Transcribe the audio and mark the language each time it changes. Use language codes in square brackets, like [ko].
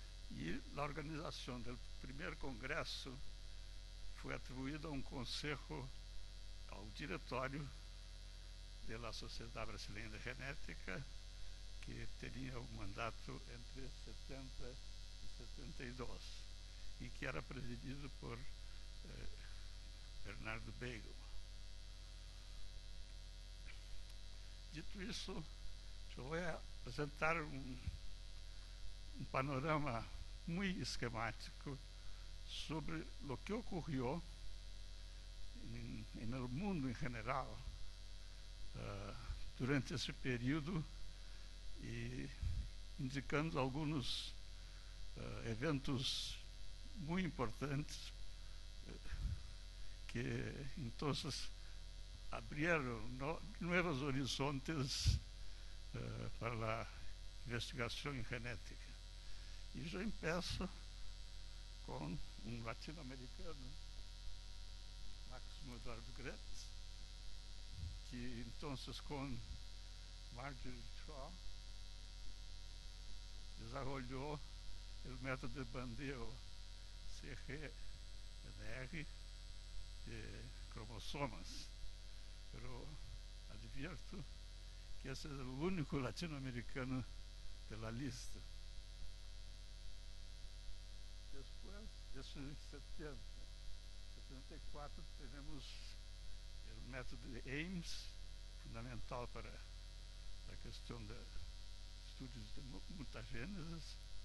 [es] Y la organización del primer congreso fue atribuida a un consejo, al directorio de la Sociedad Brasileña de Genética, que tenía un mandato entre 70 y 72, y que era presidido por Bernardo Beigel. [pt] Dito isso, eu vou apresentar um panorama muito esquemático sobre o que ocorreu no mundo em geral durante esse período, e indicando alguns eventos muito importantes que então abriram novos horizontes para a investigação em genética. E já começo com um latino-americano, Máximo Eduardo Gretz, que então com Marjorie Shaw desenvolveu o método de Bandeau CGNR de cromossomas. [es] Pero advierto que ese es el único latinoamericano de la lista. Después, eso en 74, tenemos el método de Ames, fundamental para la cuestión de estudios de mutagénesis.